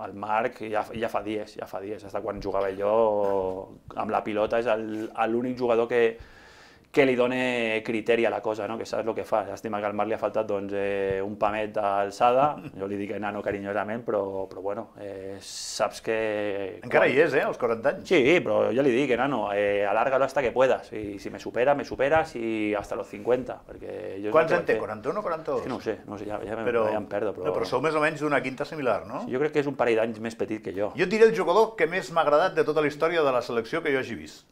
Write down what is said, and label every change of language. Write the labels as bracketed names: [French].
[Catalan] El Marc ja fa dies, hasta quan jugava jo amb la pilota és l'únic jugador que li dona criteri a la cosa, no? Que saps el que fa. Llàstima que al Marc li ha faltat doncs, un pamet d'alçada, jo li dic nano carinyosament, però bueno, saps que... Encara quan... hi és, als 40 anys. Sí, però jo li dic, nano, [Spanish] alárgalo hasta que puedas, y si me superas, y hasta los 50. [Catalan] Perquè jo quants en té, 41 o 42? Sí, no ho sé, ja em perdo. Però sou més o menys d'una quinta similar, no? Sí, jo crec que és un parell d'anys més petit que jo. Jo et diré el jugador que més m'ha agradat de tota la història de la selecció que jo hagi vist.